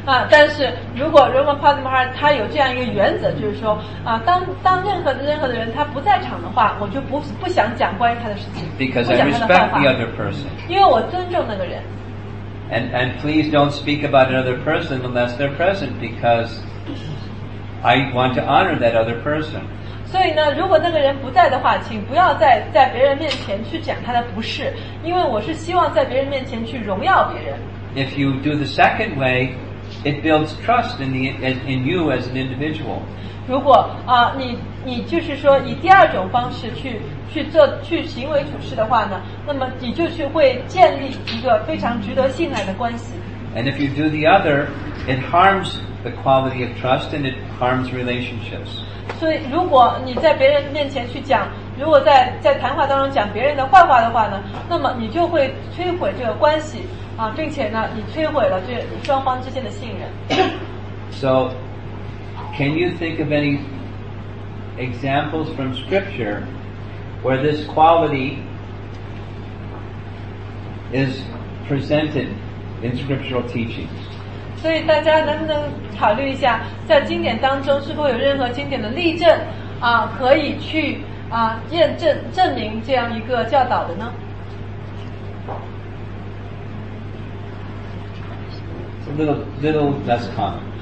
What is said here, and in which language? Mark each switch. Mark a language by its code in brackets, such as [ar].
[zh] 但是如果 Rama Padmahar 他有这样一个原则，就是说当任何的人他不在场的话，我就不想讲关于他的事情。 [en] Because I respect the other person. [zh] 因为我尊重那个人。 [en] And please don't speak about another person unless they're present, because I want to honor that other person. [zh] 所以呢，如果那个人不在的话，请不要在别人面前去讲他的不是，因为我是希望在别人面前去荣耀别人。 [en] If you do the second way. It builds trust in you as an individual. [zh] 如果你就是说以第二种方式去去做去行为处事的话呢，那么你就去会建立一个非常值得信赖的关系。 [en] And if you do the other, it harms the quality of trust and it harms relationships. [zh] 所以如果你在别人面前去讲，如果在谈话当中讲别人的坏话的话呢，那么你就会摧毁这个关系啊，并且呢，你摧毁了这双方之间的信任。 [en] So, can you think of any examples from Scripture where this quality is presented in scriptural teachings? [zh] 所以大家能不能考虑一下，在经典当中是否有任何经典的例证啊，可以去啊验证证明这样一个教导的呢？ [en] Little less common.